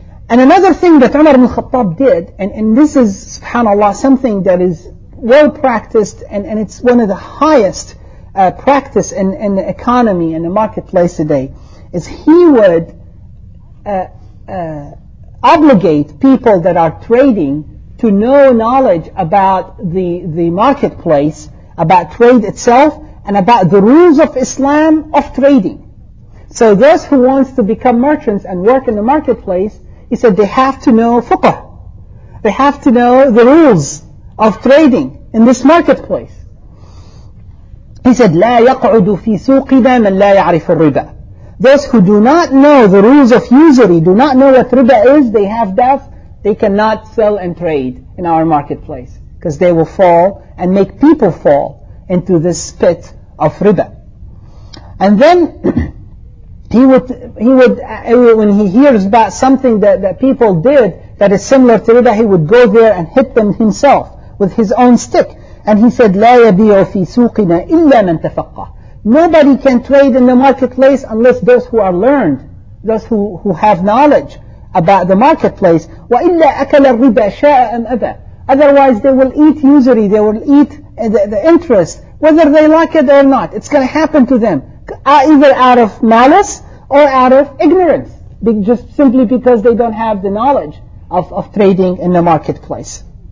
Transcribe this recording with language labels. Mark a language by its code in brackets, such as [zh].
[en] And another thing that Umar ibn Khattab did, and this is, subhanAllah, something that is well practiced, and it's one of the highest practice in the economy and the marketplace today, is he would obligate people that are trading to know knowledge about the marketplace, about trade itself, and about the rules of Islam of trading. So those who wants to become merchants and work in the marketplace, he said they have to know fuqah. They have to know the rules of trading in this marketplace. He said, [ar] لا يقعد في سوقنا من لا يعرف الربا. [en] Those who do not know the rules of usury, do not know what riba is, they have doubts, they cannot sell and trade in our marketplace. Because they will fall and make people fall into this pit of riba. And then he would when he hears about something that people did that is similar to riba, he would go there and hit them himself with his own stick. And he said, [ar] لا يبيع في سوقنا إلا من تفقه. [en] Nobody can trade in the marketplace unless those who are learned, those who have knowledge about the marketplace. [ar] وإلا أكل الربا شاء أم أبى. [en] Otherwise they will eat usury, they will eat the interest, whether they like it or not. It's going to happen to them, either out of malice or out of ignorance, just simply because they don't have the knowledge of trading in the marketplace.